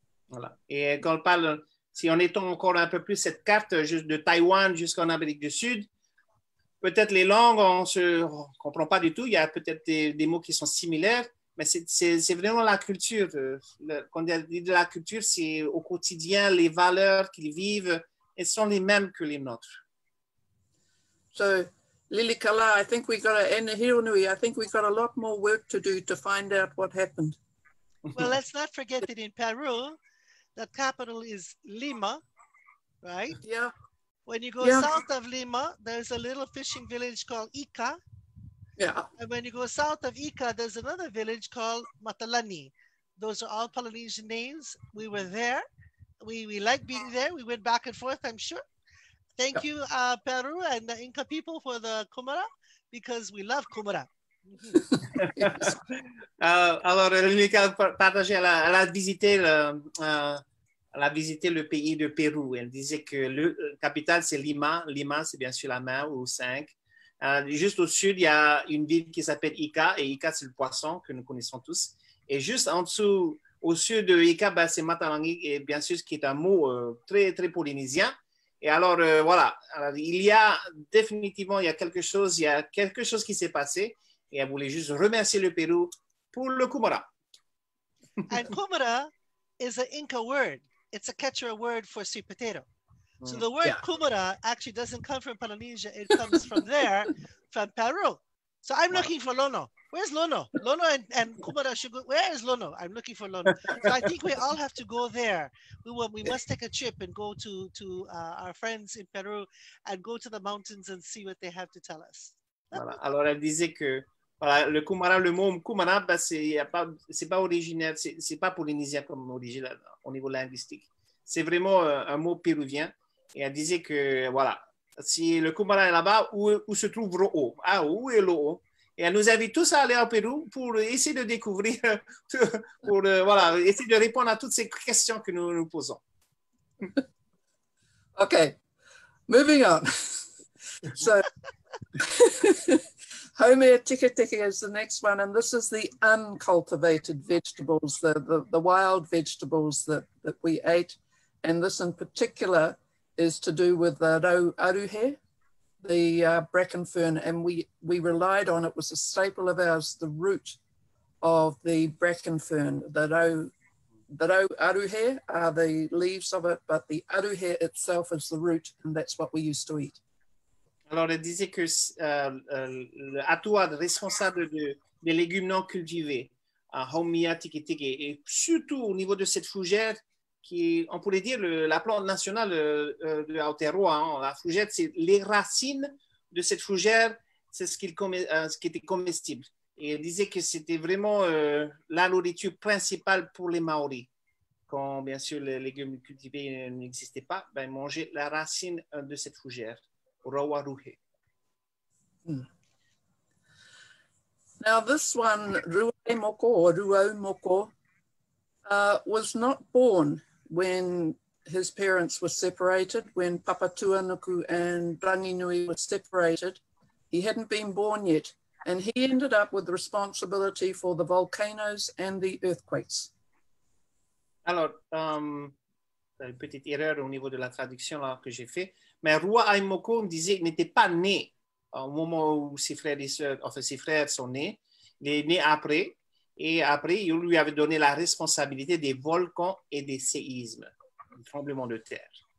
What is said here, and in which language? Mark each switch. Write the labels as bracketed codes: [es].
[fr] Voilà. Et quand on parle, si on étend encore un peu plus cette carte juste de Taïwan jusqu'en Amérique du Sud, peut-être les langues, on ne se comprend pas du tout. Il y a peut-être des mots qui sont similaires, mais c'est vraiment la culture. Quand on dit de la culture, c'est au quotidien, les valeurs qu'ils vivent, elles sont les mêmes que les nôtres. [en] So, Lilikalā, I think we got a, and Hironui, I think we got a lot more work to do to find out what happened. Well, let's not forget that in Peru, the capital is Lima, right? Yeah. When you go yeah. south of Lima, there's a little fishing village called Ika. Yeah. And when you go south of Ika, there's another village called Matalani. Those are all Polynesian names. We were there. We like being there. We went back and forth, I'm sure. Thank yeah. you, Peru and the Inca people for the kumara, because we love kumara. [fr] Alors, Lilika partage, elle a visité le pays de Pérou. Elle disait que le capital, c'est Lima. Lima, c'est bien sûr la mer ou cinq. Juste au sud, il y a une ville qui s'appelle Ika. Et Ika, c'est le poisson que nous connaissons tous. Et juste en dessous, au sud de Ika, ben, c'est Matalangi, et bien sûr, ce qui est un mot très, très polynésien. Et alors, voilà, alors, il y a définitivement, il y a quelque chose qui s'est passé. Et elle voulait juste remercier le Pérou pour le kumara. [en] And kumara is an Inca word. It's a Quechua word for sweet potato. So the word yeah. kumara actually doesn't come from Polynesia. It comes from there, from Peru. So I'm looking for Lono. Where's Lono? Lono and kumara should go. Where is Lono? I'm looking for Lono. So I think we all have to go there. We must take a trip and go to our friends in Peru and go to the mountains and see what they have to tell us. [fr] Voilà. Alors, elle disait que voilà, le kumara, le mot kumara, ben, c'est pas originaire, c'est pas polynésien comme origine au niveau linguistique. C'est vraiment un mot péruvien. Et elle disait que, voilà, si le kumara est là-bas, où se trouve Ro'o? Ah, où est Lo'o? Et elle nous invite tous à aller au Pérou pour essayer de découvrir, pour voilà, essayer de répondre à toutes ces questions que nous nous posons. [en] OK, moving on. So... Homeotikatika is the next one, and this is the uncultivated vegetables, the wild vegetables that we ate, and this in particular is to do with the rauaruhe, the bracken fern, and we relied on it was a staple of ours, the root of the bracken fern. The rauaruhe are the leaves of it, but the aruhe itself is the root, and that's what we used to eat. [fr] Alors, elle disait que l'atua responsable des légumes non cultivés, homeotikatika, et surtout au niveau de cette fougère, qui on pourrait dire la plante nationale de Aotearoa, hein, la fougère, c'est les racines de cette fougère, c'est ce qui était comestible. Et elle disait que c'était vraiment la nourriture principale pour les Maoris. Quand, bien sûr, les légumes cultivés n'existaient pas, ben, ils mangeaient la racine de cette fougère. [en] Now this one, Ruae Moko or Ruau Moko, was not born when his parents were separated, when Papatuanuku and Ranginui were separated. He hadn't been born yet, and he ended up with responsibility for the volcanoes and the earthquakes. [fr] Alors, une petite erreur au niveau de la traduction là, que j'ai fait. Mais Ruae Moko, on disait, n'était pas né au moment où ses frères et soeurs, enfin, ses frères sont nés. Il est né après. Et après, il lui avait donné la responsabilité des volcans et des séismes, des tremblements de terre.